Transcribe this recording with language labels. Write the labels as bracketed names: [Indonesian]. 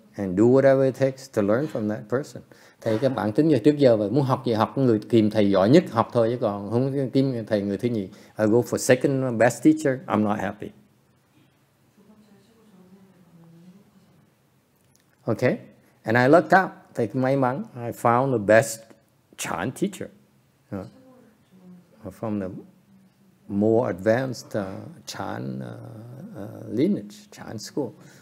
[English] And do whatever it takes to learn from that person. [Vietnamese] Thầy các bạn tính như trước giờ vậy, muốn học gì học người tìm thầy giỏi nhất học thôi, chứ còn không tìm thầy người thứ nhì. [English] I go for second best teacher, I'm not happy. Okay? And I lucked out. [Vietnamese] Thầy may mắn, [English] I found the best Chan teacher. From the more advanced Chan lineage, Chan school.